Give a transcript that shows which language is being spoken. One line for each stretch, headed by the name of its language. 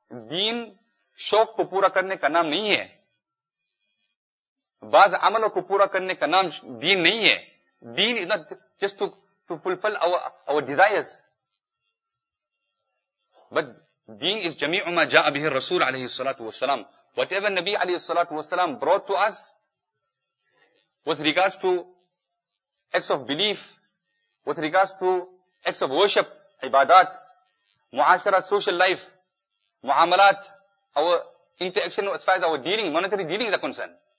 Urdu: دین شوق کو پورا کرنے کا نام نہیں ہے. بعض عملوں کو پورا کرنے کا نام دین نہیں ہے. دین
English: is not just to fulfill our desires. But
Arabic: دین is جميع ما جاء به الرسول علیہ الصلاة والسلام.
English: Whatever نبی علیہ الصلاة والسلام brought to us with regards to acts of belief, with regards to acts of worship, عبادات, معاشرات, social life, معاملات, our interaction as far as our dealing, monetary dealing is a concern.